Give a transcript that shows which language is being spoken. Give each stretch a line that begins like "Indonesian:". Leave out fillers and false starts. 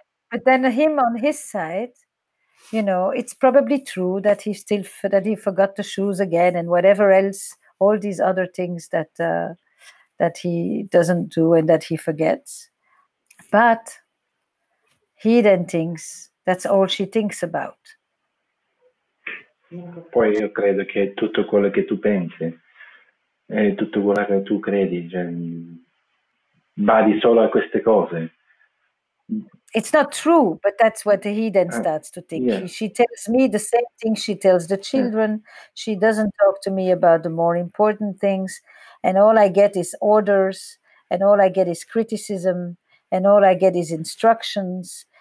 English: But then him on his side, you know, it's probably true that he still that he forgot the shoes again and whatever else, all these other things that that he doesn't do and that he forgets. But he then thinks that's all she thinks about.
Italian: Poi io credo che tutto quello che tu pensi e tutto quello che tu credi, cioè, badi solo a queste cose.
English: It's not true, but that's what he then starts to think. Yeah. She tells me the same thing she tells the children. Yeah. She doesn't talk to me about the more important things. And all I get is orders, and all I get is criticism, and all I get is instructions.